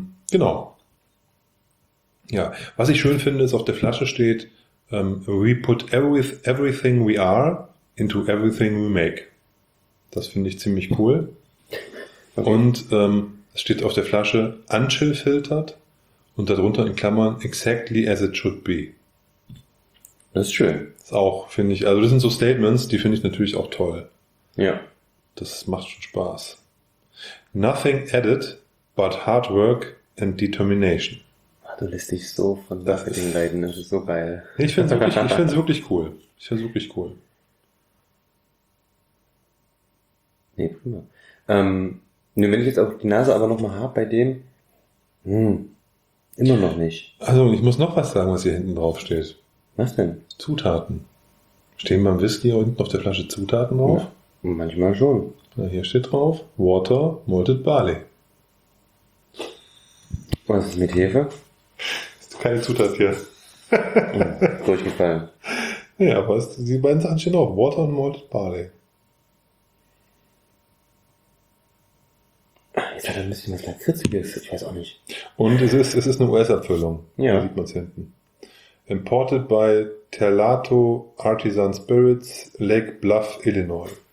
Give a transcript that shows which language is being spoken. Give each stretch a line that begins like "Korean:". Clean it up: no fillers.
German: Genau. Ja, was ich schön finde, ist, auf der Flasche steht,
English: we put everything we are into everything we make.
German: Das finde ich ziemlich cool. Okay. Und es steht auf der Flasche unchill filtert Und darunter in Klammern
English: exactly as it should be.
German: Das ist schön. Das ist auch, finde ich, also das sind so Statements, die finde ich natürlich auch toll. Ja. Das macht schon Spaß.
English: Nothing added but hard work and determination.
German: Ach, du lässt dich so von Marketing leiden, das ist so geil. Ich finde es wirklich cool. Ich finde es wirklich cool. Nee, prima. Wenn ich jetzt auch die Nase aber nochmal habe bei dem, immer noch nicht. Also, ich muss noch was sagen, was hier hinten drauf steht. Was denn? Zutaten. Stehen beim Whisky unten auf der Flasche Zutaten drauf? Ja, manchmal schon. Na, hier steht drauf, Water, Malted Barley. Was ist mit Hefe? Ist keine Zutat hier. Ja, durchgefallen. Ja, aber die beiden Sachen stehen auch, Water und Malted Barley. Jetzt hat er ein bisschen was Lakritziges, ich weiß auch nicht. Und es ist eine US-Abfüllung. Ja. Da sieht man es hinten.
English: Imported by Terlato Artisan Spirits, Lake Bluff, Illinois.